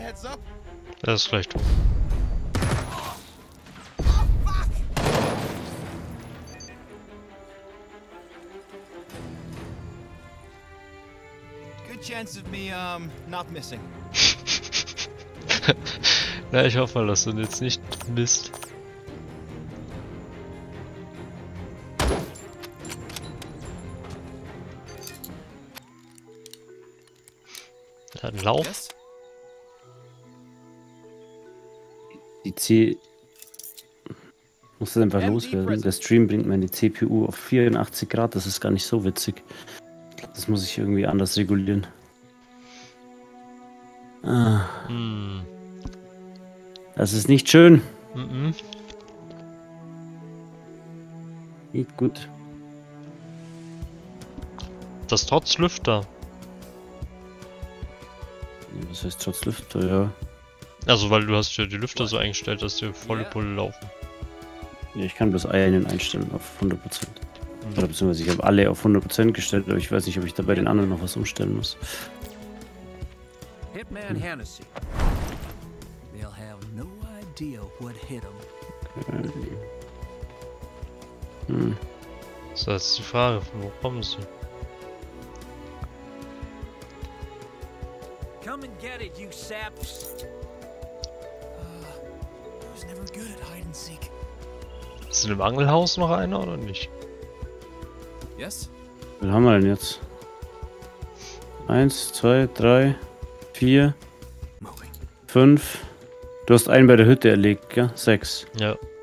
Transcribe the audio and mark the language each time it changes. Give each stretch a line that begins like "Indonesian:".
English: heads up.
German: Das ist vielleicht...
English: Good chance of me, not missing.
German: Na, ich hoffe mal, dass du jetzt nicht misst. Dann lauf. Muss das einfach loswerden? Der Stream bringt meine CPU auf 84 Grad, das ist gar nicht so witzig. Das muss ich irgendwie anders regulieren. Das ist nicht schön. Nicht gut. Das trotz Lüfter. Das heißt trotz Lüfter, ja. Also weil du hast ja die Lüfter so eingestellt, dass die volle Pulle laufen. Ja, ich kann bloß einen einstellen auf 100%. Mhm. Oder beziehungsweise ich habe alle auf 100% gestellt, aber ich weiß nicht, ob ich dabei den anderen noch was umstellen muss.
English: Hitman Hennessy. They'll have no idea what hit them.
German: So, jetzt die Frage, von wo kommen sie?
English: Come and get it, you saps! I was never good at hide and seek.
German: Ist in dem Angelhaus noch einer oder nicht?
English: Yes?
German: Wen haben wir denn jetzt? 1, 2, 3, 4. Fünf. Du hast einen bei der Hütte erlegt, gell? 6. Ja.